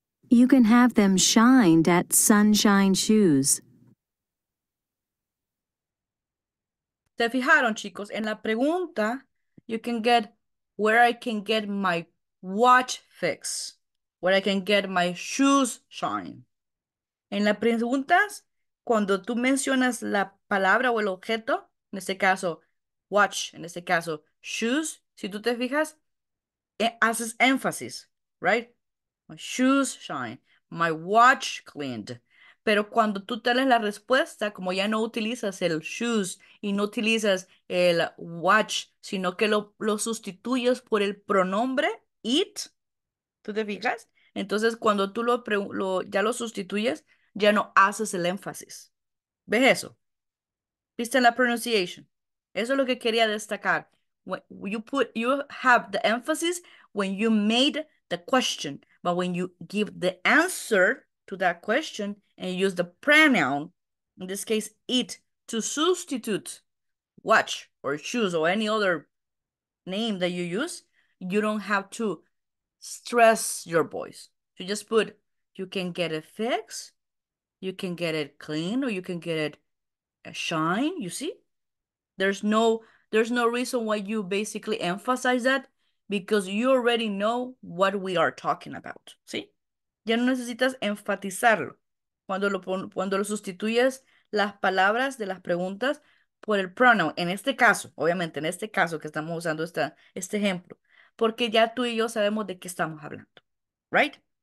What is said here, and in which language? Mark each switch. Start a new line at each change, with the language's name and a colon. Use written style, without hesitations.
English: You can have them shined at Sunshine Shoes.
Spanish: ¿Se fijaron, chicos? En la pregunta,
English: you can get where I can get my watch fixed, where I can get my shoes shined.
Spanish: En las preguntas, cuando tú mencionas la palabra o el objeto, en este caso, watch, en este caso, shoes, si tú te fijas, haces énfasis, right?
English: My shoes shine, my watch cleaned.
Spanish: Pero cuando tú te lees la respuesta, como ya no utilizas el shoes y no utilizas el watch, sino que lo sustituyes por el pronombre it, ¿tú te fijas? Entonces, cuando tú ya lo sustituyes, ya no haces el énfasis. ¿Ves eso? ¿Viste la pronunciation? Eso es lo que quería destacar.
English: You have the emphasis when you made the question, but when you give the answer to that question and use the pronoun, in this case, it, to substitute watch or shoes or any other name that you use, you don't have to stress your voice. You just put, you can get it fixed, you can get it clean, or you can get it a shine, you see? There's no reason why you basically emphasize that, because you already know what we are talking about, ¿sí?
Spanish: Ya no necesitas enfatizarlo. Cuando lo sustituyes las palabras de las preguntas por el pronoun, en este caso, obviamente, en este caso que estamos usando este ejemplo, porque ya tú y yo sabemos de qué estamos hablando, right?